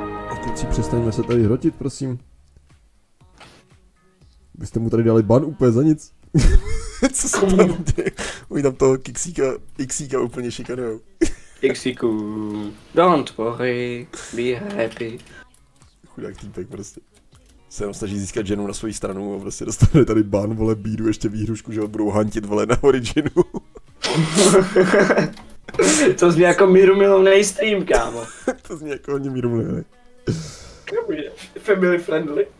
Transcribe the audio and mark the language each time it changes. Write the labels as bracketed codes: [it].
[cs] A teď si přestaňme se tady hrotit, prosím. Vy jste mu tady dali ban úplně za nic. Co se tam děje? Oni tam toho Xíka úplně šikanujou. Xíku, [en] don't worry, be happy. [cs] Chudák týpek prostě. Se jenom snaží získat ženu na svoji stranu a prostě dostane tady ban, vole, bídu, ještě výhrušku, že ho budou hantit, vole, na Originu. To zní jako mírumilovnej stream, kámo. To zní jako hodně mírumilovnej. [en] Family friendly.